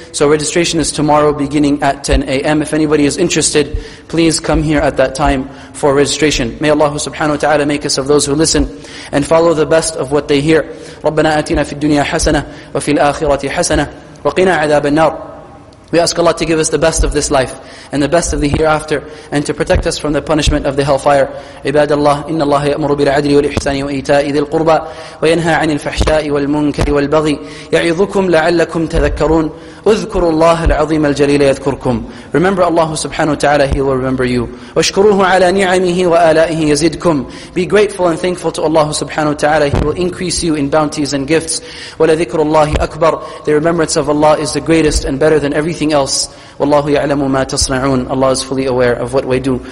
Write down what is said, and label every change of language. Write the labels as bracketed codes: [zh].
[en] So registration is tomorrow beginning at 10 a.m. If anybody is interested, please come here at that time for registration. May Allah subhanahu wa ta'ala make us of those who listen and follow the best of what they hear. [ar] رَبَّنَا أَتِنَا فِي الدُّنْيَا حَسَنَةً وَفِي الْآخِرَةِ حَسَنَةً وَقِنَا عَذَابَ النَّارِ. [en] We ask Allah to give us the best of this life and the best of the hereafter, and to protect us from the punishment of the hellfire. [ar] عباد الله إن الله يأمر بالعدل والإحسان وإيتاء ذي القربى وينهى عن الفحشاء والمنكر والبغي يعظكم لعلكم تذكرون اذكروا الله العظيم الجليل يذكركم. [en] Remember Allah subhanahu wa ta'ala, He will remember you. [ar] واشكروه على نعمه وآلائه يزدكم. [en] Be grateful and thankful to Allah subhanahu wa ta'ala, He will increase you in bounties and gifts. [ar] ولذكر الله أكبر. [en] The remembrance of Allah is the greatest and better than everything else. [ar] والله يعلم ما تصنعون. [en] Allah is fully aware of what we do.